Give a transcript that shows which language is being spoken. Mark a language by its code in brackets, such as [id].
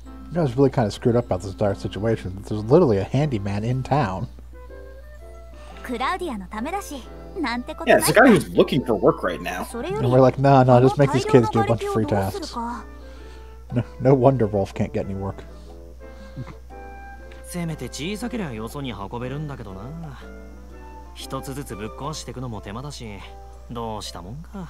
[en] You know, I was really kind of screwed up about this entire situation. There's literally a handyman in town. [ja] クラウディアのためだし、なんてことない。 [en] Yeah, it's a guy who's looking for work right now. And we're like, no, just make these kids do a bunch of free tasks. No wonder Rolf can't get any work. [ja] せめて小さければよそに運べるんだけどな。一つずつぶっ壊していくのも手間だし、どうしたもんか。